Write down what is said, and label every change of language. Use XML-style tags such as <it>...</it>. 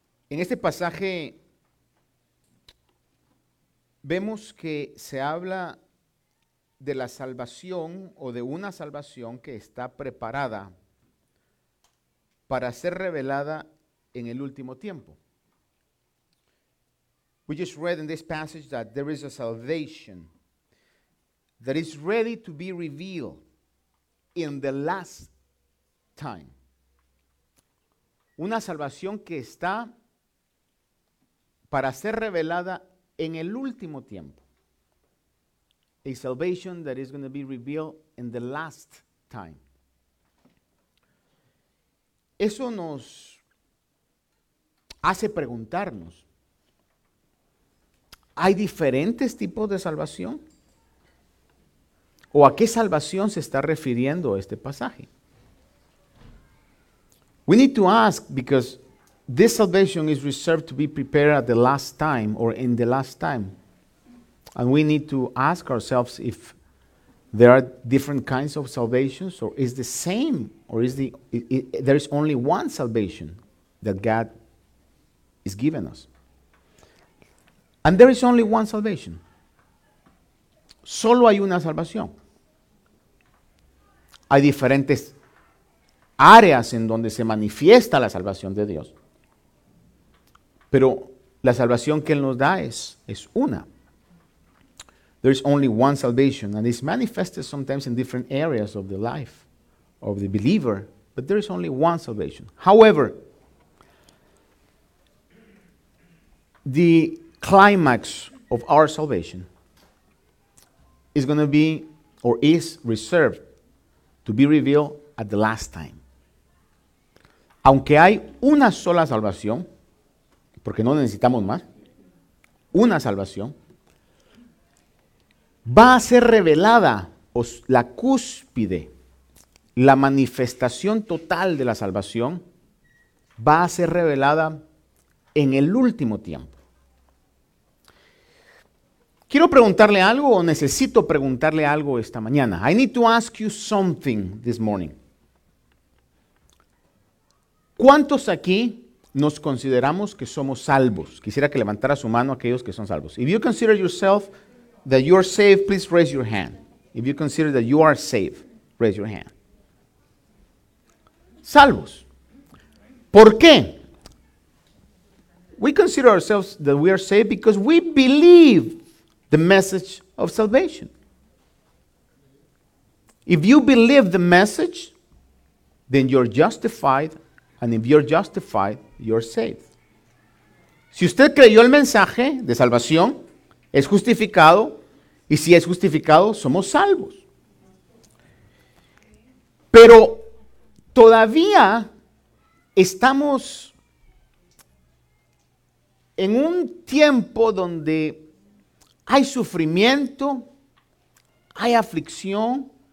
<es>En este pasaje vemos que se habla de la salvación o de una salvación que está preparada para ser revelada en el último tiempo.</es> <en>We just read in this passage that there is a salvation that is ready to be revealed in the last time.</en> <es>Una salvación que está para ser revelada en el último tiempo.</es> <en>A salvation that is going to be revealed in the last time.</en> <es>Eso nos hace preguntarnos, ¿hay diferentes tipos de salvación? ¿O a qué salvación se está refiriendo este pasaje?</es> <en>We need to ask because this salvation is reserved to be prepared at the last time or in the last time. And we need to ask ourselves if there are different kinds of salvations or is the same or there is only one salvation that God is giving us. And there is only one salvation.</en> <es>Solo hay una salvación. Hay diferentes áreas en donde se manifiesta la salvación de Dios. Pero la salvación que Él nos da es una.</es> <en>There is only one salvation, and it's manifested sometimes in different areas of the life of the believer, but there is only one salvation. However, The climax of our salvation is going to be, or is reserved to be revealed at the last time.</en> <es>Aunque hay una sola salvación, porque no necesitamos más, una salvación, va a ser revelada, la cúspide, la manifestación total de la salvación, va a ser revelada en el último tiempo. Quiero preguntarle algo, o necesito preguntarle algo esta mañana.</es> <en>I need to ask you something this morning.</en> <es>¿Cuántos aquí nos consideramos que somos salvos? Quisiera que levantara su mano aquellos que son salvos.</es> <en>If you consider yourself that you are saved, please raise your hand. If you consider that you are saved, raise your hand.</en> <es>Salvos. ¿Por qué?</es> <en>We consider ourselves that we are saved because we believe the message of salvation. If you believe the message, then you're justified. And if you're justified, you're saved.</en> <es>Si usted creyó el mensaje de salvación, es justificado. Y si es justificado, somos salvos. Pero todavía estamos en un tiempo donde hay sufrimiento, hay aflicción.</es>